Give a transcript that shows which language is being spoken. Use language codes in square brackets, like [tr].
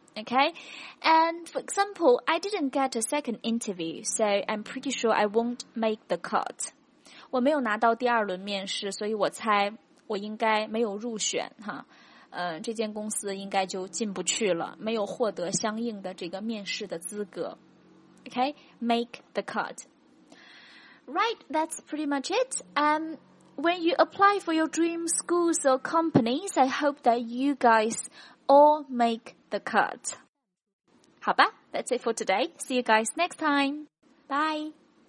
[en] Okay, and for example, I didn't get a second interview, so I'm pretty sure I won't make the cut. [zh] 我没有拿到第二轮面试，所以我猜我应该没有入选哈。这间公司应该就进不去了，没有获得相应的这个面试的资格。 [en] Okay, make the cut. Right, that's pretty much it. When you apply for your dream schools or companies, I hope that you guys all make the cut. [zh] 好吧， [en] that's it for today. See you guys next time. Bye.